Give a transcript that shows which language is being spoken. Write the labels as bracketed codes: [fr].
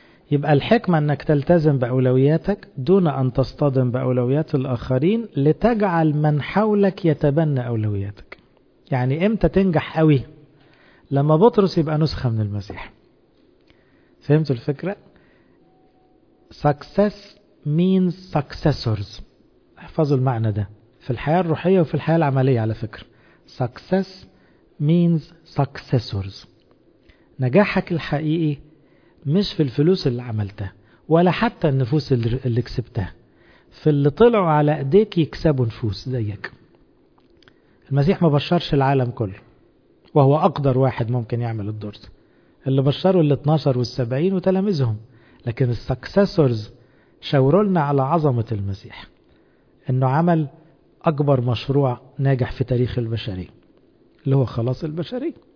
[ar] يبقى الحكمة أنك تلتزم بأولوياتك دون أن تصطدم بأولويات الآخرين، لتجعل من حولك يتبنى أولوياتك. يعني إمتى تنجح قوي؟ لما بطرس يبقى نسخة من المسيح. فهمت الفكرة؟ [en] success means successors، [ar] احفظوا المعنى ده في الحياة الروحية وفي الحياة العملية على فكرة. [en] success means successors. [ar] نجاحك الحقيقي مش في الفلوس اللي عملتها ولا حتى النفوس اللي كسبتها، في اللي طلعوا على ايديك يكسبوا نفوس زيك. المسيح ما بشرش العالم كله، وهو اقدر واحد ممكن يعمل الدور، اللي بشروا ال 12 وال 70 وتلاميذهم، لكن السكسسورز شاوروا لنا على عظمة المسيح انه عمل اكبر مشروع ناجح في تاريخ البشرية اللي هو خلاص البشرية.